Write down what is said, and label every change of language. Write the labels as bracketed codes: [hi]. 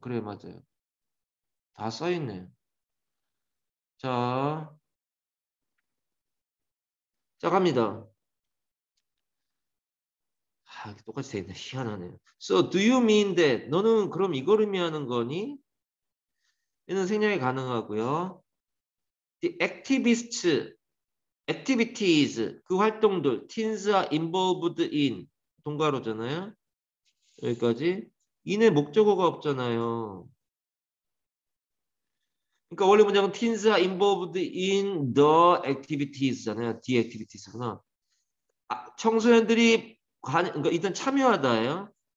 [ko] 그래 맞아요. 다 써있네. 자, 시작합니다. 아, 똑같이 되어 있네. 희한하네요. [en] So, do you mean that? [ko] 너는 그럼 이걸 의미하는 거니? 얘는 생략이 가능하고요. [en] The activists, activities, [ko] 그 활동들, [en] teens are involved in, [ko] 동가로잖아요. 여기까지. in의 목적어가 없잖아요. 그러니까 원래 문장은 [en] teens are involved in the activities [ko] 잖아요. the activities구나. 아, 청소년들이 그러니까 일단 참여하다예요.